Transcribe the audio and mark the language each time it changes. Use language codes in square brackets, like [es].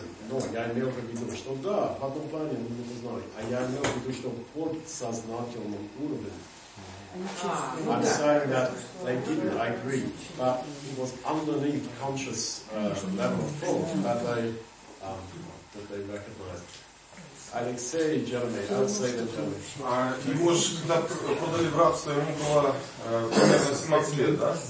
[ru] Но я имел в виду, что да, в одном плане они не познали. А я имел в виду, что под сознательным уровнем. [en] I'm saying that they didn't agree. But it was underneath conscious level of thought that they recognized. [ru] Алексей, Джереми, Алексей, Джереми. Его же когда продали в рабство, ему было 17 лет, да?